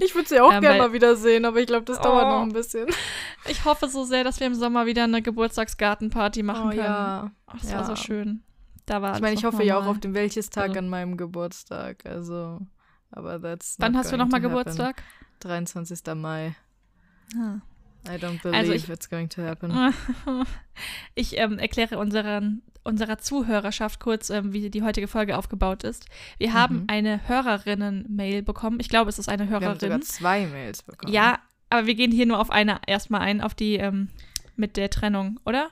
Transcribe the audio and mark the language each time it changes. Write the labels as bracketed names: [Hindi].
[German] Ich würde sie auch gerne mal wiedersehen, aber ich glaube, das dauert noch ein bisschen. Ich hoffe so sehr, dass wir im Sommer wieder eine Geburtstagsgartenparty machen können. Das war so schön. Da war ich meine, ich hoffe ja auch auf den Welchestag an meinem Geburtstag. Also, aber [English] that's [German] wann hast du nochmal Geburtstag? 23. Mai. [English] I don't believe it's going to happen. [German] Ich erkläre unserer Zuhörerschaft kurz, wie die heutige Folge aufgebaut ist. Wir haben eine Hörerinnen-Mail bekommen. Ich glaube, es ist eine Hörerin. Wir haben sogar zwei Mails bekommen. Ja, aber wir gehen hier nur auf eine erstmal ein, auf die mit der Trennung, oder?